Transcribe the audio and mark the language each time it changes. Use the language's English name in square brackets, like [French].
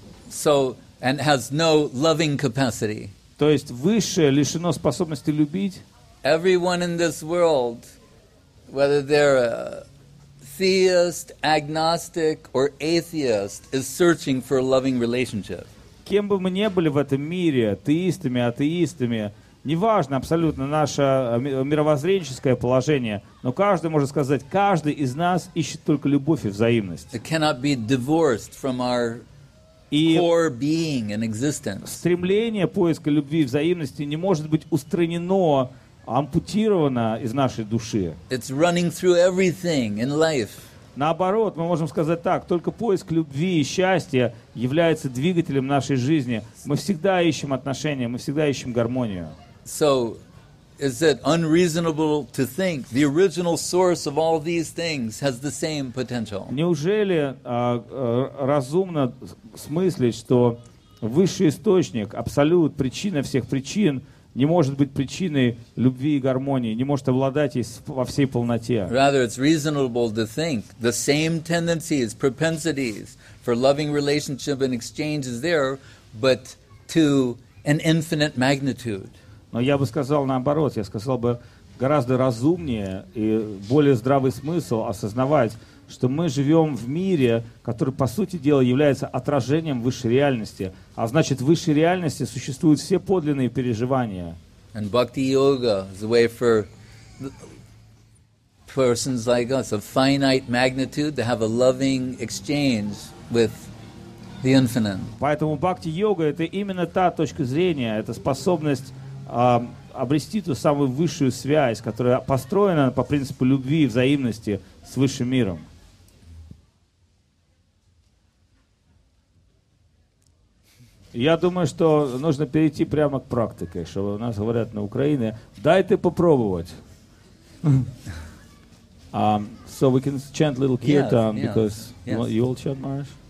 [English] So, and has no loving capacity. [Russian] То есть высшее лишено способности любить. [English] Everyone in this world, whether they're a theist, agnostic or atheist, is searching for a loving relationship. [Russian] Кем бы мы ни были в этом мире, теистами, атеистами, неважно абсолютно наше мировоззренческое положение, но каждый может сказать, каждый из нас ищет только любовь и взаимность. [English] It cannot be divorced from our core being and existence. [Russian] Стремление поиска любви и взаимности не может быть устранено, ампутировано из нашей души. [English] It's running through everything in life. [Russian] Наоборот, мы можем сказать так, только поиск любви и счастья является двигателем нашей жизни. Мы всегда ищем отношения, мы всегда ищем гармонию. [English] So, is it unreasonable to think the original source of all these things has the same potential? [Russian] Неужели разумно смыслить, что высший источник, абсолют, причина всех причин, не может быть причиной любви и гармонии, не может обладать ей во всей полноте. [English] Rather, it's reasonable to think the same tendencies, propensities for loving relationship and exchange is there, but to an infinite magnitude. [Russian] Но я бы сказал наоборот, я сказал бы гораздо разумнее и более здравый смысл осознавать, что мы живем в мире, который, по сути дела, является отражением высшей реальности. А значит, в высшей реальности существуют все подлинные переживания. [English] And bhakti-yoga is a way for persons like us of finite magnitude to have a loving exchange with the infinite. [Russian] Поэтому бхакти-йога — это именно та точка зрения, это способность обрести ту самую высшую связь, которая построена по принципу любви и взаимности с высшим миром. Я думаю, что нужно перейти прямо к практике, что у нас говорят на Украине. Дайте попробовать. [English] So we can chant a little kirtan, yes, because yes. You all chant, Maharaj?